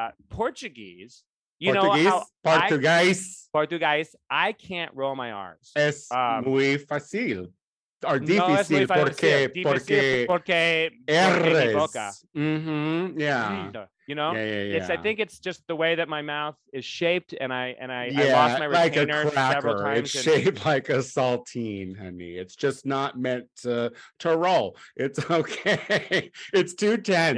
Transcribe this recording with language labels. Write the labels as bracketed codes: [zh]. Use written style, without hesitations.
[en] Portuguese, Portuguese, I can't roll my R's. [es] Es muy fácil. Or difícil, no, es muy fácil. Porque mi boca. [en] Mm-hmm. Yeah. You know, I think it's just the way that my mouth is shaped, and I lost my retainer like a cracker. Several times. It's shaped like a saltine, honey. It's just not meant to roll. It's okay. It's too tense.